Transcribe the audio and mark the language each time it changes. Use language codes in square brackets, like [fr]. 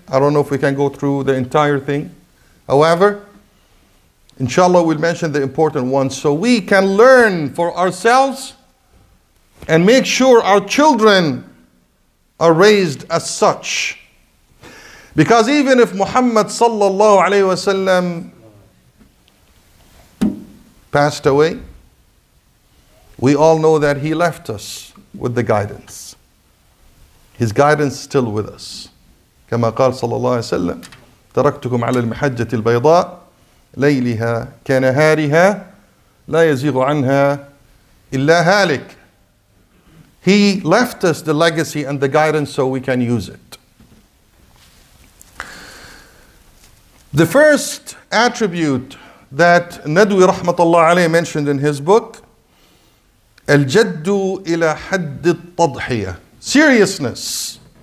[en] I don't know if we can go through the entire thing. However, inshallah, we'll mention the important ones so we can learn for ourselves and make sure our children are raised as such. Because even if Muhammad sallallahu alayhi wa sallam passed away, we all know that he left us with the guidance. His guidance is still with us. [ar] كما قال صلى الله عليه وسلم تركتكم على المحجة البيضاء ليلها كنهارها لا يزيغ عنها إلا هالك. [en] He left us the legacy and the guidance so we can use it. The first attribute that Nadwi rahmatullah alayhi mentioned in his book, [ar] الجدُّ إلى حد التضحية, [en] seriousness.